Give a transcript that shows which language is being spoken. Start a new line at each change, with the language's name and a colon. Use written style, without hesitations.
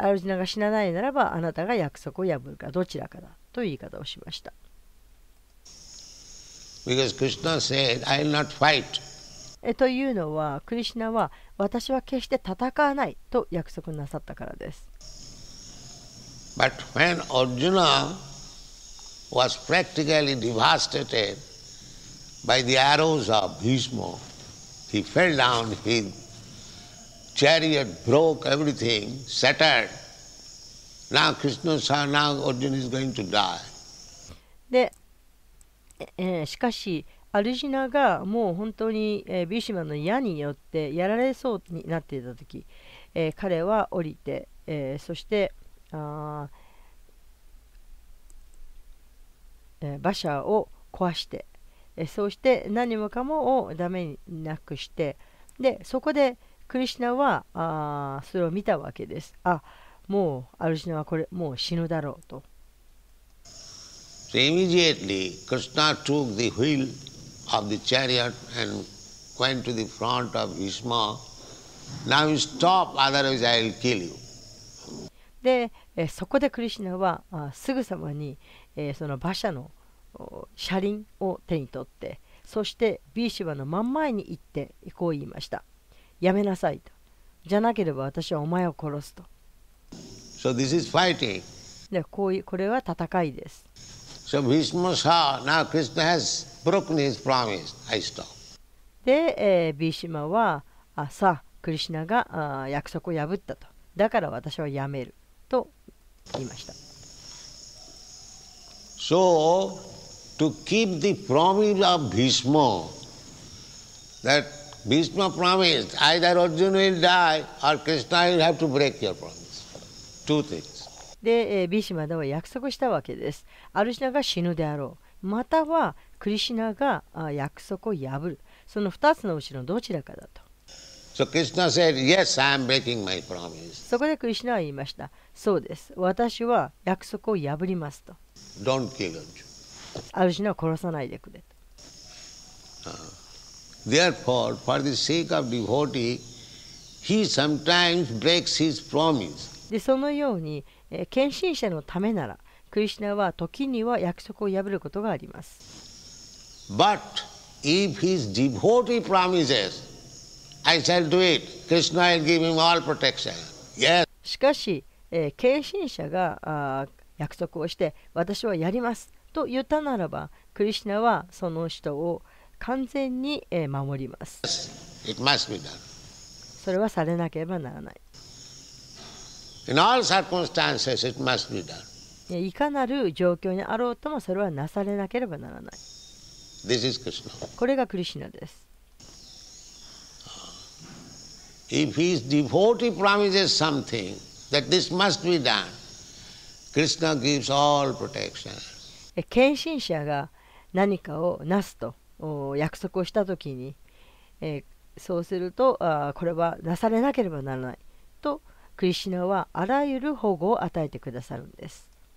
Japanese: アルジナが死なないならばあなたが約束を破るかどちらかだという言い方をしました。
English: Because Krishna said I will not fight。
Japanese: というのはクリシナは私は決して戦わないと約束なさったからです。
English: But when Arjuna was practically devastatedby the arrows of Bhishma, he fell down, his chariot broke, everything shattered. Now Krishna saw, now Arjuna is going to die.
Japanese: で、しかしアルジナがもう本当に、ビシマの矢によってやられそうになっていた時、彼は降りて、そして馬車を壊して、そうして何もかもをダメになくして、でそこでクリシナはそれを見たわけです。あ、もうアルジナはこれもう死ぬだろうと。
English: So immediately Krishna took the wheel of the chariot and went to the front of Bhishma. Now stop, otherwise I will kill you.
Japanese: で、そこでクリシュナはすぐさまに、その馬車の車輪を手に取って、そしてビーシュバの真ん前に行ってこう言いました。やめなさいと、じゃなければ私はお前を殺すと。
English: So this is fighting.
Japanese: で、こういう、これは戦いです。
English: So Bhishma saw, now Krishna has broken his promise, I stop.
Japanese: で、ビーシュバは、さあクリシュナが約束を破ったと、だから私はやめると言いました。
English: So to keep the promise of Bhishma, that Bhishma promised either Arjuna will die or Krishna will have to break your promise. Two things.
Japanese: で、ビシュマは約束したわけです。アルジュナが死ぬであろう、またはクリシュナが約束を破る。その二つのうちのどちらかだと。
English: So Krishna said, "Yes, I am breaking my promise."
Japanese: そこでクリシュナは言いました。そうです。私は約束を破りますと。
English: Don't kill Arjuna.
Japanese: アルジュナは殺さないでくれと。
English: Therefore, for the sake of devotee, he sometimes breaks his promise.
Japanese: で、そのように、献身者のためなら、クリシュナは時には約束を破ることがあります。
English: But if his devotee promises, I shall do it. Krishna will give him all protection. Yes.
Japanese: しかし、献身者が約束をして、私はやりますと言ったならば、クリシュナはその人を完全に守ります。
English: Yes, it must be done.
Japanese: それはされなければならない。
English: In all circumstances, it must be done.
Japanese: いかなる状況にあろうともそれはなされなければならない。
English: This is Krishna.
Japanese: これがクリシュナです。
English: If his devotee promises something, that this must be done, Krishna gives all protection.
Japanese: 献身者が何かをなすと約束をしたときに、そうすると、これはなされなければならないと、クリシュナはあらゆる保護を与えてくださるんです。